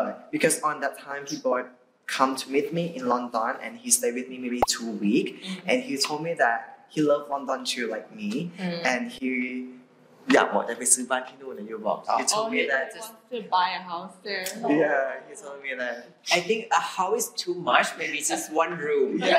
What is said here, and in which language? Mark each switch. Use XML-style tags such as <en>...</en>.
<en>Because on that time, people come to meet me in London, and he stayed with me maybe 2 weeks, and he told me that he loved London too, like me, and he.</en> <th>อยากบอกจะไปซื้อบ้านที่นู่นนะอยู่บอก</th> <en>he told me that just to buy a house there yeah he told me that I think a house is too much maybe just one room</en>